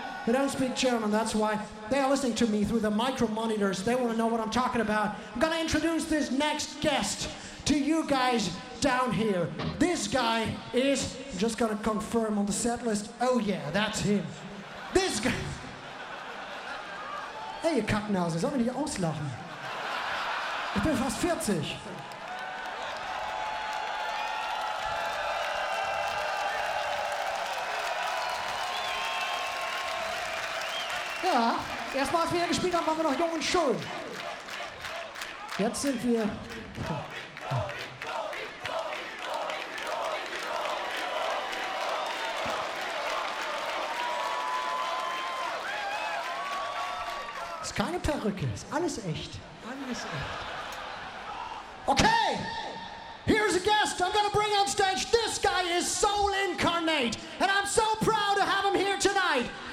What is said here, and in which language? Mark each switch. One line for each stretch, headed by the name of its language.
English: They don't speak German, that's why. They are listening to me through the micro monitors. They want to know what I'm talking about. I'm going to introduce this next guest to you guys down here. This guy is, I'm just going to confirm on the set list. Oh yeah, that's him. This guy.
German: Hey, you Kacknasen, sollen wir nicht auslachen? Ich bin fast 40. Ja, erstmal, als wir hier gespielt haben, waren wir noch jung und schön. Jetzt sind wir. Oh. Ist keine Perücke, ist alles echt. Alles echt.
English: Okay, here's a guest I'm gonna bring on stage. This guy is Soul Incarnate, and I'm so proud to have him here tonight.